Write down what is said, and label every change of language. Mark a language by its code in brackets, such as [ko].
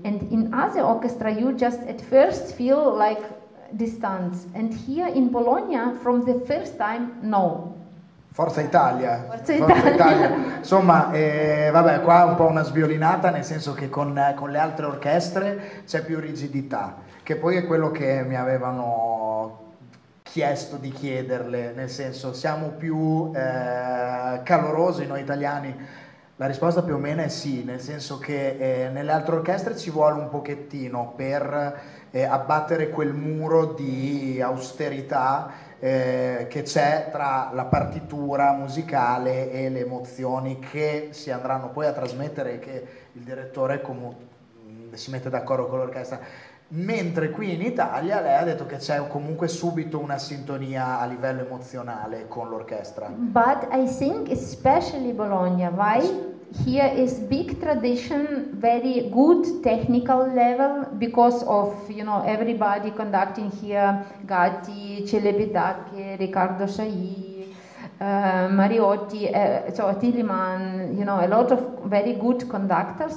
[en] And in other orchestra, you just at first feel like distance. And here in Bologna, from the first time, no. [it] Forza Italia. Insomma, vabbè, qua è un po' una sviolinata, nel senso che con le altre orchestre c'è più rigidità, che poi è quello che mi avevano chiesto di chiederle, nel senso, siamo più calorosi noi italiani. La risposta più o meno è sì, nel senso che nelle altre orchestre ci vuole un pochettino per abbattere quel muro di austerità che c'è tra la partitura musicale e le emozioni che si andranno poi a trasmettere e che il direttore si mette d'accordo con l'orchestra. Mentre qui in Italia lei ha detto che c'è comunque subito una sintonia a livello emozionale con l'orchestra. [en] But I think especially Bologna, why? Here is big tradition, very good technical level because of, you know, everybody conducting here, Gatti, Celebidache, Riccardo Chailly, Mariotti, so Tilleman, you know, a lot of very good conductors.